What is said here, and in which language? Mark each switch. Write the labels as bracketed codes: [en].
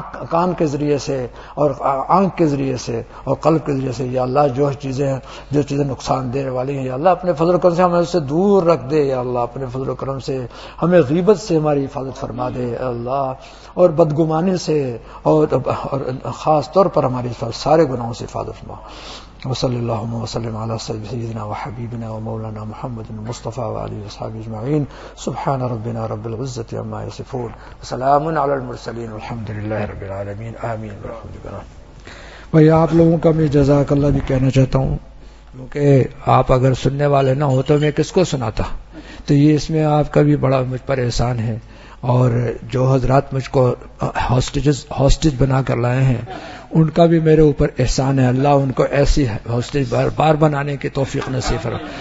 [ur] کان کے ذریعے سے اور آنکھ کے ذریعے سے اور قلب کے ذریعے سے یا اللہ جو چیزیں نقصان دینے والی ہیں یا اللہ اپنے فضل و کرم سے ہمیں اس سے دور رکھ دے. یا اللہ اپنے فضل و کرم سے ہمیں غیبت سے ہماری حفاظت فرما دے اللہ, اور بدگمانی سے اور خاص طور پر ہماری سارے گناہوں سے حفاظت فرما. [ar] وصلی اللہ وسلم على سيدنا وحبيبنا ومولانا محمد المصطفى وعلي اصحابه اجمعين, سبحان ربنا رب العزة عما يصفون, وسلام على المرسلين, والحمد لله رب العالمين, امين. برحمة الله. [ur] بھائی آپ لوگوں کا میں جزاک اللہ بھی کہنا چاہتا ہوں, کیونکہ آپ اگر سننے والے نہ ہو تو میں کس کو سناتا, تو یہ اس میں آپ کا بھی بڑا مجھ پر احسان ہے, اور جو حضرات مجھ کو ہوسٹیج بنا کر لائے ہیں ان کا بھی میرے اوپر احسان ہے, اللہ ان کو ایسی ہوسٹیج بار بار بنانے کی توفیق نصیب فرمائے.